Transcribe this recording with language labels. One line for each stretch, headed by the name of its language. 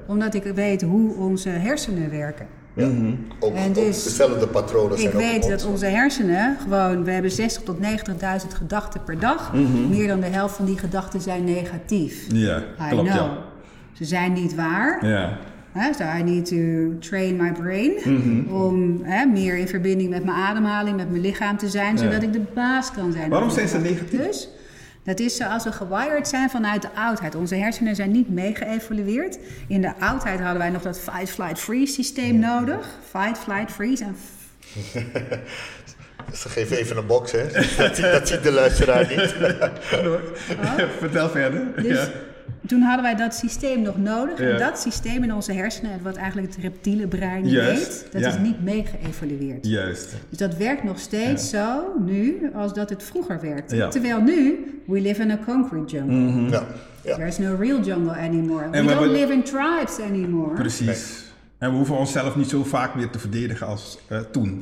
Dutch: Omdat ik weet hoe onze hersenen werken. Ja, mm-hmm. ook dezelfde patronen zijn. Ik weet dat onze hersenen gewoon, we hebben 60 tot 90.000 gedachten per dag. Mm-hmm. Meer dan de helft van die gedachten zijn negatief.
English: Yeah, I
Dutch: klopt,
English: know.
Dutch: Ja, klopt. Ze zijn niet waar.
English: Yeah. So I need to train my brain mm-hmm.
Dutch: om meer in verbinding met mijn ademhaling, met mijn lichaam te zijn, zodat ik de baas kan zijn. Waarom zijn ze negatief? Dus, dat is zoals we gewired zijn vanuit de oudheid. Onze hersenen zijn niet meegeëvolueerd. In de oudheid hadden wij nog dat fight, flight, freeze systeem nodig. Fight, flight, freeze. En ze geven even een box, hè. Dat ziet de luisteraar niet. Vertel verder. Dus ja. Toen hadden wij dat systeem nog nodig. Ja. En dat systeem in onze hersenen, wat eigenlijk het reptiele brein heet, dat is niet meegeëvolueerd. Juist. Dus dat werkt nog steeds zo nu als dat het vroeger werkte. Ja. Terwijl nu,
English: we live in a concrete jungle. Mm-hmm.
Dutch: Ja. Ja.
English: There is no real jungle anymore.
Dutch: En
English: we don't live in tribes anymore.
Dutch: Precies. Nee. En we hoeven onszelf niet zo vaak meer te verdedigen als toen.